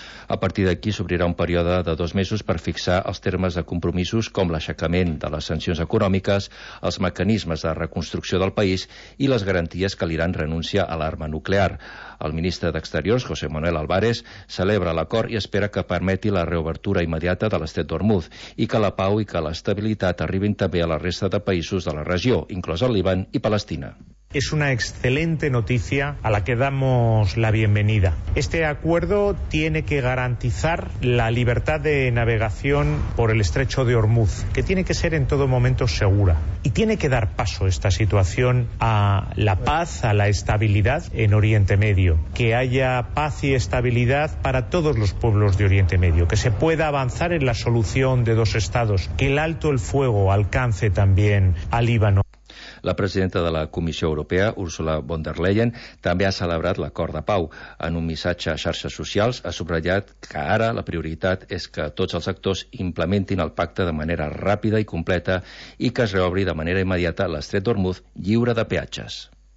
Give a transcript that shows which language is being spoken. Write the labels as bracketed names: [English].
[Catalan] A partir d'aquí s'obrirà un període de 2 mesos per fixar els termes de compromisos com l'aixecament de les sancions econòmiques, els mecanismes de reconstrucció del país i les garanties que l'Iran renuncia a l'arma nuclear. El ministre d'Exteriors, José Manuel Álvarez, celebra l'acord i espera que permeti la reobertura immediata de l'estret d'Hormuz i que la pau i que l'estabilitat arribin també a la resta de països de la regió, inclòs el Líban i Palestina. [Spanish] Es una excelente noticia a la que damos la bienvenida. Este acuerdo tiene que garantizar la libertad de navegación por el estrecho de Hormuz, que tiene que ser en todo momento segura. Y tiene que dar paso esta situación a la paz, a la estabilidad en Oriente Medio. Que haya paz y estabilidad para todos los pueblos de Oriente Medio. Que se pueda avanzar en la solución de 2 estados. Que el alto el fuego alcance también al Líbano. [Catalan] La presidenta de la Comissió Europea, Ursula von der Leyen, també ha celebrat l'acord de pau. En un missatge a xarxes socials ha subratllat que ara la prioritat és que tots els actors implementin el pacte de manera ràpida i completa i que es reobri de manera immediata l'estret d'Hormuz lliure de peatges.